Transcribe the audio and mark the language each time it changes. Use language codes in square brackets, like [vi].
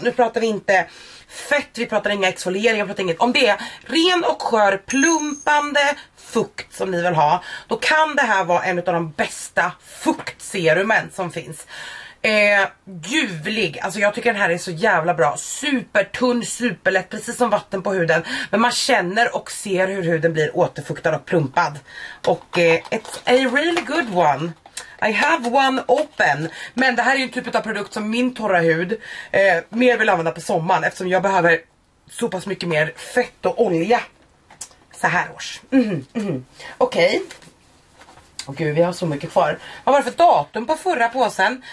[sv] Nu pratar vi inte fett, vi pratar inga exfolieringar, vi pratar inget. Om det är ren och skör, plumpande fukt som ni vill ha, då kan det här vara en av de bästa fuktserumen som finns. Ljuvlig, alltså jag tycker den här är så jävla bra. Supertunn, superlätt, precis som vatten på huden. Men man känner och ser hur huden blir återfuktad och plumpad. [en] Och it's a really good one. I have one open. [sv] Men det här är ju en typ av produkt som min torra hud mer vill använda på sommaren, eftersom jag behöver så pass mycket mer fett och olja så här års. Och gud, vi har så mycket kvar. Vad var det för datum på förra påsen?